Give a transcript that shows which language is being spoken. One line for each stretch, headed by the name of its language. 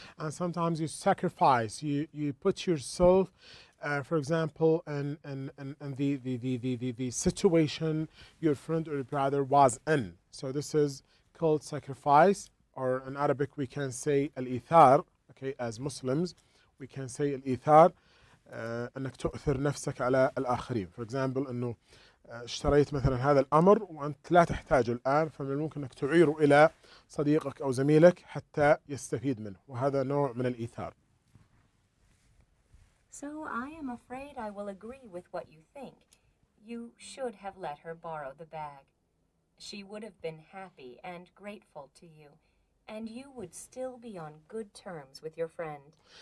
English: And sometimes you sacrifice, you put yourself, for example, in the situation your friend or your brother was in. So this is called sacrifice, or in Arabic we can say al-ithar, okay, as Muslims, we can say al-ithar,
Arabic: أنك تؤثر نفسك على الآخرين.
English: For example,
Arabic: أنه اشتريت مثلا هذا الأمر وأنت لا تحتاجه الآن فمن الممكن أنك تعيره إلى صديقك أو زميلك حتى يستفيد منه وهذا نوع من الإيثار.
English: So I am afraid I will agree with what you think. You should have let her borrow the bag. She would have been happy and grateful to you, and you would still be on good terms with your friend.